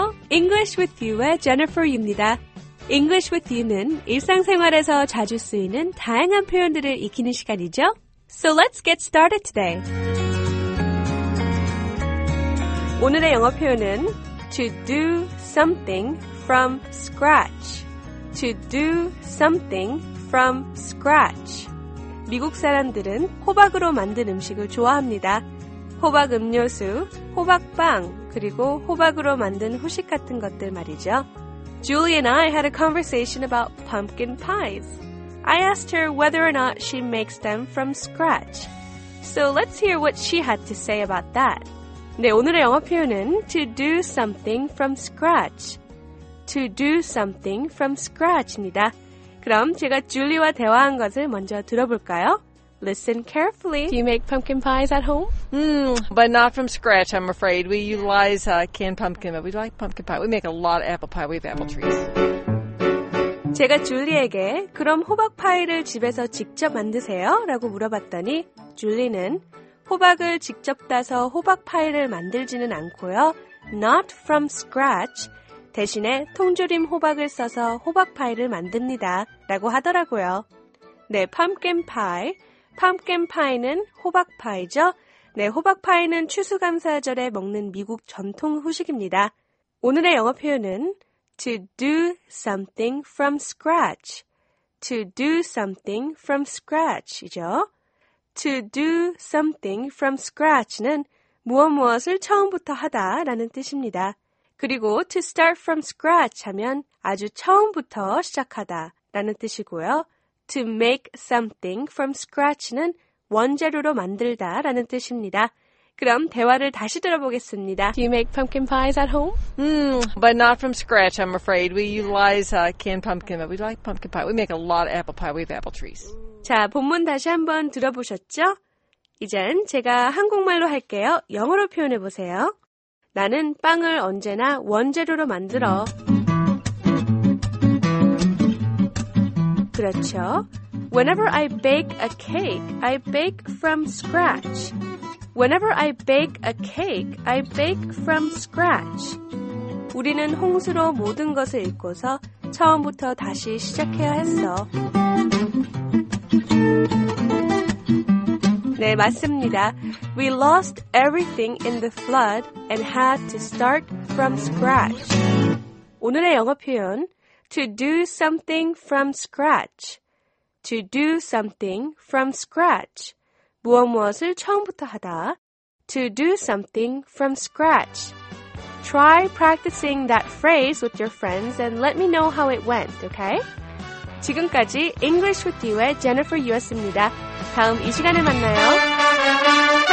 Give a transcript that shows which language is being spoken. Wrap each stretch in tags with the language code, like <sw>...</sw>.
<ko>English with you의 Jennifer입니다. English with you는 일상생활에서 자주 쓰이는 다양한 표현들을 익히는 시간이죠.</ko> <en>So let's get started today.</en> <ko>오늘의 영어 표현은</ko> <en>to do something from scratch. To do something from scratch.</en> <ko>미국 사람들은 호박으로 만든 음식을 좋아합니다. 호박 음료수, 호박빵, 그리고 호박으로 만든 후식 같은 것들 말이죠.</ko> <en>Julie and I had a conversation about pumpkin pies. I asked her whether or not she makes them from scratch. So let's hear what she had to say about that.</en> <ko>네, 오늘의 영어 표현은</ko> <en>to do something from scratch. To do something from scratch입니다.</en> <ko>그럼 제가 줄리와 대화한 것을 먼저 들어볼까요?</ko> <en>Listen carefully. Do you make pumpkin pies at home? But not from scratch, I'm afraid. We utilize canned pumpkin, but we like pumpkin pie. We make a lot of apple pie. We have apple trees.</en> <ko>제가 줄리에게 그럼 호박 파이를 집에서 직접 만드세요? 라고 물어봤더니 줄리는 호박을 직접 따서 호박 파이를 만들지는 않고요.</ko> <en>Not from scratch.</en> <ko>대신에 통조림 호박을 써서 호박 파이를 만듭니다. 라고 하더라고요. 네, pumpkin pie. Pumpkin pie는 호박 파이죠. 네, 호박 파이는 추수감사절에 먹는 미국 전통 후식입니다. 오늘의 영어 표현은</ko> <en>to do something from scratch. To do something from scratch</en> <ko>이죠. To do something from scratch는 무엇무엇을 처음부터 하다라는 뜻입니다. 그리고</ko> <en>to start from scratch</en> <ko>하면 아주 처음부터 시작하다라는 뜻이고요.</ko> <en>To make something from scratch</en> <ko>는 원재료로 만들다 라는 뜻입니다. 그럼 대화를 다시 들어보겠습니다.</ko> <en>Do you make pumpkin pies at home? But not from scratch, I'm afraid. We utilize canned pumpkin, but we like pumpkin pie. We make a lot of apple pie. We have apple trees.</en> <ko>자, 본문 다시 한번 들어보셨죠? 이젠 제가 한국말로 할게요. 영어로 표현해 보세요. 나는 빵을 언제나 원재료로 만들어. 그렇죠.</ko> <en>Whenever I bake a cake, I bake from scratch. Whenever I bake a cake, I bake from scratch.</en> <ko>우리는 홍수로 모든 것을 잊고서 처음부터 다시 시작해야 했어. 네, 맞습니다.</ko> <en>We lost everything in the flood and had to start from scratch.</en> <ko>오늘의 영어 표현</ko> <en>To do something from scratch. To do something from scratch.</en> <ko>무엇무엇을 처음부터 하다.</ko> <en>To do something from scratch. Try practicing that phrase with your friends and let me know how it went, okay?</en> <ko>지금까지 English with You의 Jennifer Yu였습니다. 다음 이 시간에 만나요.</ko>